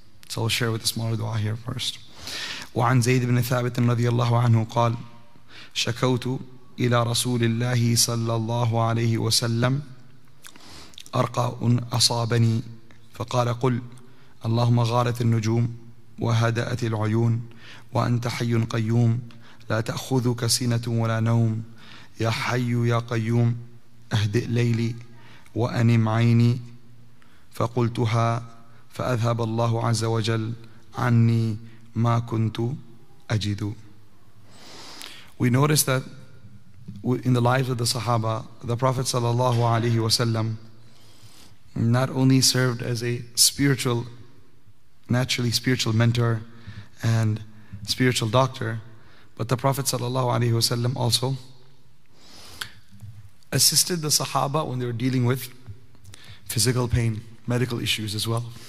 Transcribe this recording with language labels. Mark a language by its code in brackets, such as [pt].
[en] So I'll share with a smaller dua here first. [ar] وعن زيد بن ثابت رضي الله عنه قال شكوت إلى رسول الله صلى الله عليه وسلم أرقاء أصابني, فقال قل اللهم غارت النجوم وهدأت العيون وأنت حي قيوم لا تأخذك سنة ولا نوم يا حي يا قيوم أهدئ ليلي وأنم عيني فقلتها فأذهب الله عز وجل عني ما كنت أجد. [en] We notice that in the lives of the Sahaba, the Prophet sallallahu alaihi wasallam not only served as a spiritual, naturally spiritual mentor and spiritual doctor, but the Prophet sallallahu alaihi wasallam also assisted the Sahaba when they were dealing with physical pain, medical issues as well.